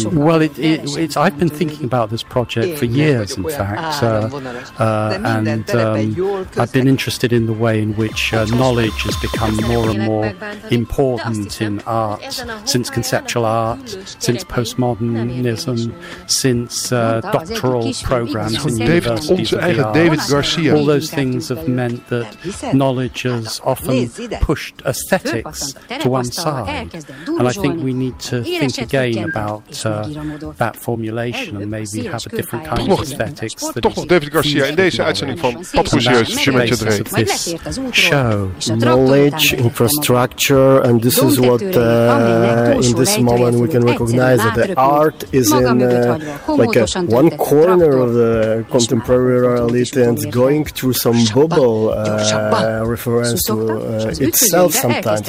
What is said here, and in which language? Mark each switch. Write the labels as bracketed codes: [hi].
[en] Well, it's I've been thinking about this project for years, in fact, and I've been interested in the way in which knowledge has become more and more important in art, since conceptual art, since postmodernism, since doctoral programs in universities of the arts. David Garcia. All those things have meant that knowledge has often pushed aesthetics to one side. And I think we need to think again about that formulation and maybe have a different kind of aesthetics. [nl] Toch nog David Garcia in deze uitzending van Pat Poussieus, Jumetje Dre. [en] Knowledge, infrastructure, and this is what in this moment we can recognize that the art is in one corner of the contemporary reality and going through some bubble reference to itself sometimes.